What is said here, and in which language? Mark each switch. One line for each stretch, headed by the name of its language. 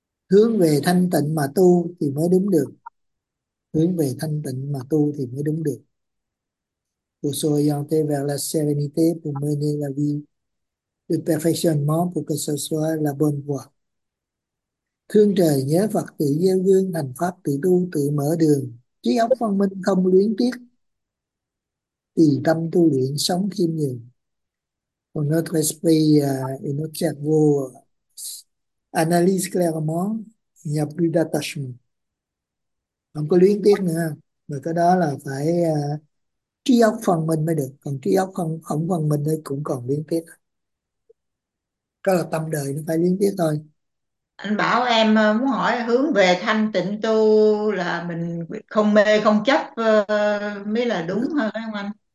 Vietnamese: Hướng về thanh tịnh mà tu thì mới đúng được. Hướng về thanh tịnh mà tu thì mới đúng được.
French: Pour s'orienter vers la sérénité, pour mener la vie de perfectionnement, pour que ce soit la bonne voie.
Vietnamese: Thương trời nhớ Phật tự gieo gương, hành pháp tự tu tự mở đường. Trí óc văn minh không luyến tiếc. Tỳ tâm tu luyện sống khiêm nhường.
French: Pour notre esprit et notre cerveau analyse clairement, il n'y a plus d'attachement.
Vietnamese: Không có luyến tiếc nữa mà cái đó là phải trí óc phần mình mới được, còn trí óc không không phần mình thì cũng còn luyến tiếc, cái là tâm đời nó phải luyến tiếc thôi. Anh bảo em muốn hỏi hướng về thanh tịnh tu là mình không mê không chấp mới là đúng hơn không anh?